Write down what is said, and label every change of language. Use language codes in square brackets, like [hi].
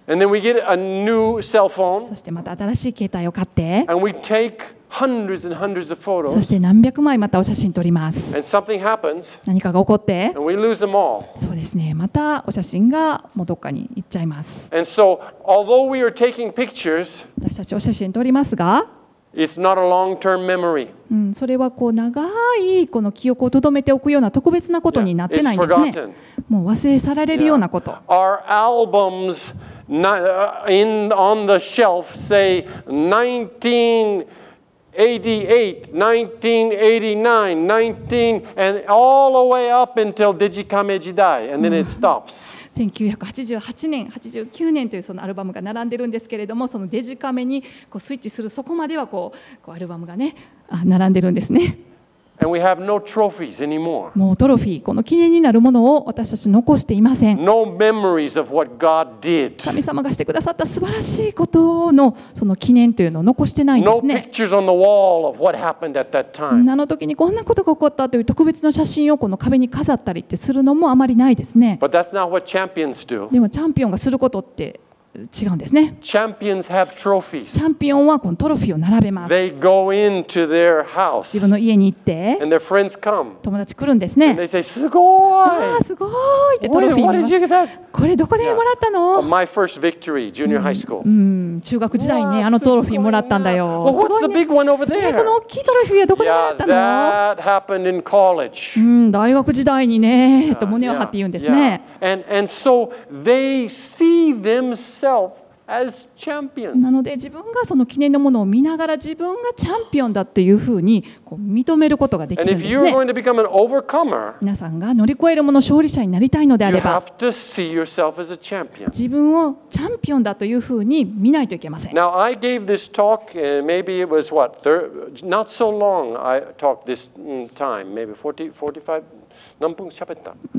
[en] And then we get a new cell phone. [ja] そしてまた新しい携帯を買って。 [en] And we take hundreds and hundreds of photos. [ja] そして何百枚またお写真撮ります。 [en] And something happens. [ja] 何かが起こって。 [en] And we lose them all. [ja] そうですね。またお写真がもうどこかに行っちゃいます。 [en] And so, although we are taking pictures, [ja] 私たちお写真撮りますが、 [en] It's not a long-term memory. [ja] うん、それはこう長いこの記憶を留めておくような特別なことになってないんですね。 [en] Yeah, [ja] もう忘れ去られるようなこと。 [en] Yeah. Our albums on the shelf say 1988, 1989, 19, and all the way up until [ja] Digicame Jidai, [en] and then it stops. [ja] 1988年、89年というそのアルバムが並んでるんですけれども、そのデジカメにこうスイッチするそこまではこうアルバムがね、並んでるんですね。 [en] And we have no trophies anymore. [ja] もうトロフィー、この記念になるものを私たち残していません。 [en] No memories of what God did. [ja] 神様がしてくださった素晴らしいことのその記念というのを残してないんですね。 [en] No pictures on the wall of what happened at that time. [ja] あの時にこんなことが起こったという特別な写真をこの壁に飾ったりってするのもあまりないですね。 [en] But that's not what champions do. [ja] でもチャンピオンがすることって違うんですね。 [en] Champions have trophies. [ja] チャンピオンはこのトロフィーを並べます。 [en] They go into their house. [ja] 自分の家に行って、 [en] and their friends come. [ja] 友達来るんですね。 [en] And they say, [ja] すごい！わーすごい！ってトロフィーに。 [en] What did you get that? [ja] これどこでもらったの？ [en] Yeah. My first victory, junior high school. [ja] うん、中学時代にね、あのトロフィーもらったんだよ。 [en] Well, what's the big one over there? [ja] この大きいトロフィーはどこでもらったの？ [en] Yeah, that happened in college. [ja] うん、大学時代にね、と胸を張って言うんですね。 [en] Yeah. And so they see themselves. As champions. [ja] なので自分がその記念のものを見ながら自分がチャンピオンだっていうふうにこう認めることができるんですね。皆さんが乗り越えるもの勝利者になりたいのであれば、 [en] you have to see yourself as a champion. [ja] 自分をチャンピオンだというふうに見ないといけません。 [en] Now I gave this talk, maybe it was what, not so long I talked this time, maybe 40, 45, [ja] 何分喋った？